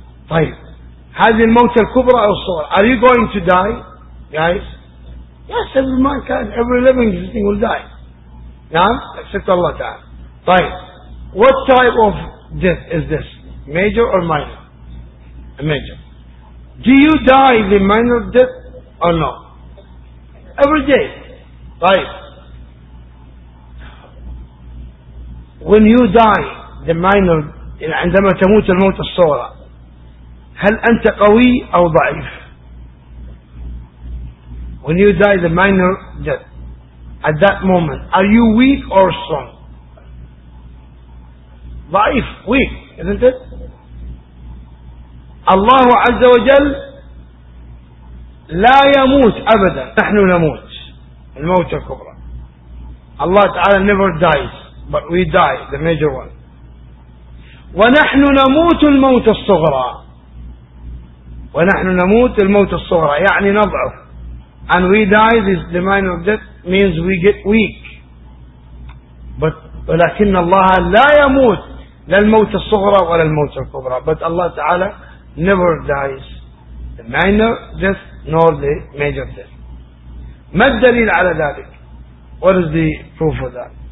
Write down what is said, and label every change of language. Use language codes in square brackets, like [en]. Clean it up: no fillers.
[ar] طيب هذه الموتة الكبرى أو الصغرى. [en] Are you going to die, guys? Yes, every man can. Every living thing will die. نعم. Except الله تعالى. طيب what type of death is this, major or minor? a major. Do you die the minor death or no? Every day, right? When you die the minor, [ar] عندما تموت الموت الصغرى, هل أنت قوي أو ضعيف? [en] When you die the minor death, at that moment, are you weak or strong? ضعيف, weak, isn't it? [ar] الله عز وجل لا يموت أبدا, نحن نموت الموت الكبرى. [en] الله تعالى never dies, but we die, the major one. [ar] ونحن نموت الموت الصغرى, ونحن نموت الموت الصغرى, يعني نضعف. [en] And we die, this the minor death means we get weak. [ar] But ولكن الله لا يموت لا الموت الصغرى ولا الموت الكبرى. [en] But Allah Ta'ala never dies the minor death nor the major death. [ar] ما الدليل على ذلك? [en] What is the proof of that?